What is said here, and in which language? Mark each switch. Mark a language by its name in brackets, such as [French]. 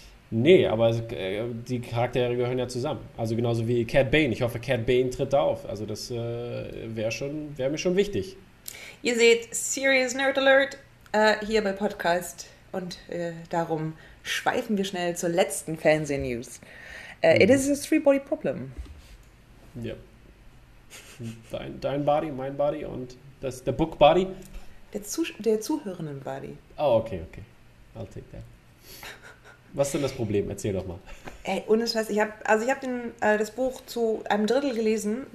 [German] Nee, aber die Charaktere gehören ja zusammen. Also genauso wie Cad Bane. Ich hoffe, Cad Bane tritt da auf. Also das wäre mir schon wichtig. Ihr seht, [English] Serious Nerd Alert [German] hier bei Podcast. Und darum schweifen wir schnell zur letzten Fernsehnews. [English] It is a three-body problem. [German] Ja. Dein Body, mein Body und das der Book Body? Der Zuhörenden Body. [English] Oh, okay. I'll take that. [German] Was ist denn das Problem? Erzähl doch mal. Ey, ohne Scheiß, ich habe das Buch zu einem Drittel gelesen.